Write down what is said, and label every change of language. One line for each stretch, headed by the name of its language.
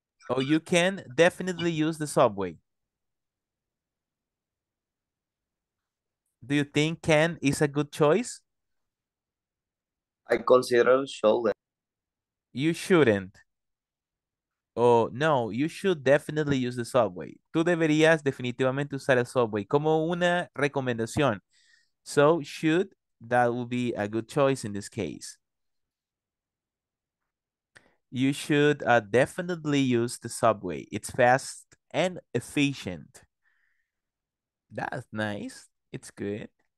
English: Oh, you can definitely use the subway. Do you think can is a good choice? I consider it shoulder. You shouldn't. Oh, no, you should definitely use the subway.
Spanish: Tú deberías definitivamente usar el subway como una recomendación.
English: So, should, that would be a good choice in this case. You should definitely use the subway. It's fast and efficient. That's nice. It's good.